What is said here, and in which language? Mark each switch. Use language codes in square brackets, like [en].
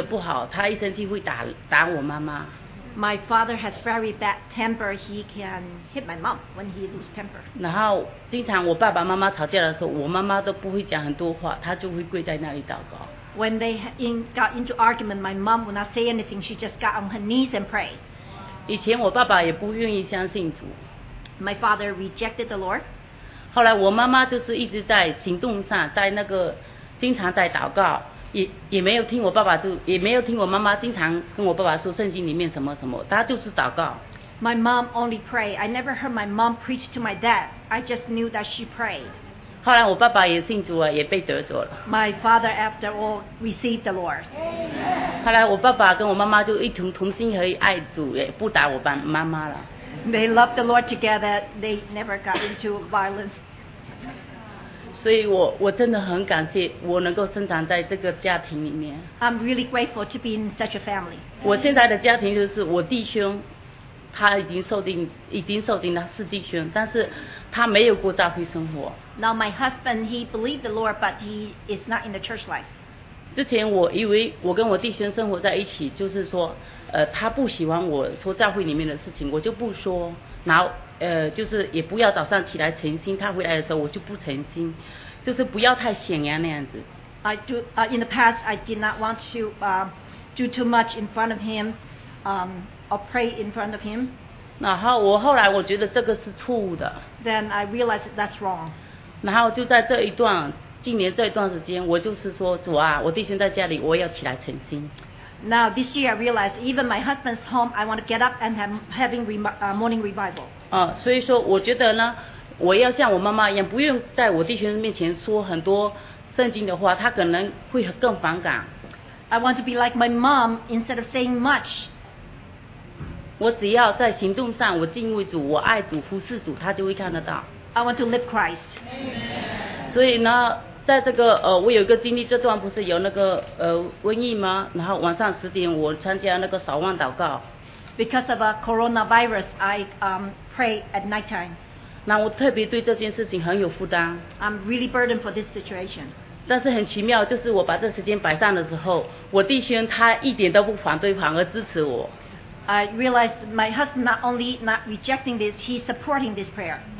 [zh] 因为以前我爸爸的性格不好，他一生气会打我妈妈。 [en] My father has very bad temper. He can hit my mom when he loses temper. [zh] 然后经常我爸爸妈妈吵架的时候，我妈妈都不会讲很多话，她就会跪在那里祷告。 [en] When they got into argument, my mom would not say anything. She just got on her knees and pray. [zh] 以前我爸爸也不愿意相信主。 [en] My father rejected the Lord. [zh] 后来我妈妈就是一直在行动上，在那个经常在祷告，也没有听我爸爸，就也没有听我妈妈经常跟我爸爸说圣经里面什么什么，她就是祷告。 [en] My mom only prayed. I never heard my mom preach to my dad. I just knew that she prayed. [zh] 后来我爸爸也信主了，也被得着了。 [en] My father, after all, received the Lord. [zh] 后来我爸爸跟我妈妈就一同同心合意爱主，也不打我爸妈妈了。 [en] They loved the Lord together. They never got into violence. [zh] 所以我真的很感谢我能够生长在这个家庭里面。 [en] I'm really grateful to be in such a family. [zh] 我现在的家庭就是我弟兄，他已经受定他是弟兄，但是他没有过教会生活。 [en] Now my husband, he believed the Lord, but he is not in the church life. [zh] 之前我以为我跟我弟兄生活在一起，就是说他不喜欢我说教会里面的事情，我就不说，然后就是也不要早上起来晨兴，他回来的时候我就不晨兴，就是不要太显扬那样子。 [en] I do, in the past I did not want to do too much in front of him, or pray in front of him. [zh] 然后我后来我觉得这个是错误的。 [en] Then I realized that that's wrong. [zh] 然后就在这一段今年这一段时间，我就是说主啊，我弟兄在家里，我要起来晨兴。 [en] Now this year I realized even my husband's home I want to get up and have having morning revival. [zh] 所以说我觉得呢，我要像我妈妈一样，不用在我弟兄面前说很多圣经的话，他可能会更反感。 [en] I want to be like my mom instead of saying much. [zh] 我只要在行动上我敬畏主，我爱主，服侍主，他就会看得到。 [en] I want to live Christ. Amen. [zh] 所以呢，在这个我有一个经历，这段不是有那个瘟疫吗？然后晚上十点我参加那个扫望祷告。 [en] Because of a coronavirus, I pray at night time. [zh] 那我特别对这件事情很有负担。 [en] I'm really burdened for this situation. [zh] 但是很奇妙，就是我把这时间摆上的时候，我弟兄他一点都不反对，反而支持我。 [en] I realized my husband not only not rejecting this, he's supporting this prayer.